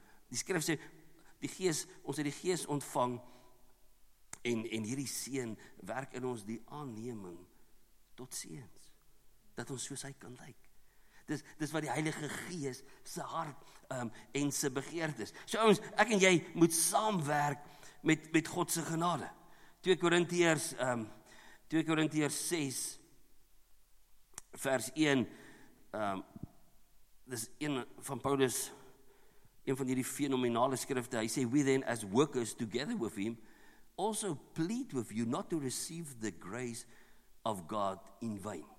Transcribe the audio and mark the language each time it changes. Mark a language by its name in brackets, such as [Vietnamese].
[Afrikaans] Die skrif sê, die gees, ons het die gees ontvang, en hierdie seën werk in ons die aanneming tot seens, dat ons soos hy kan lyk. Dis wat die Heilige Gees, sy hart en sy begeerte is. So ons, ek en jy moet saamwerk met God se genade. 2 Korintiërs 6 vers 1 dis een van Paulus, een van hierdie fenomenale skrifte, hy sê, [English] we then as workers together with him also plead with you not to receive the grace of God in vain.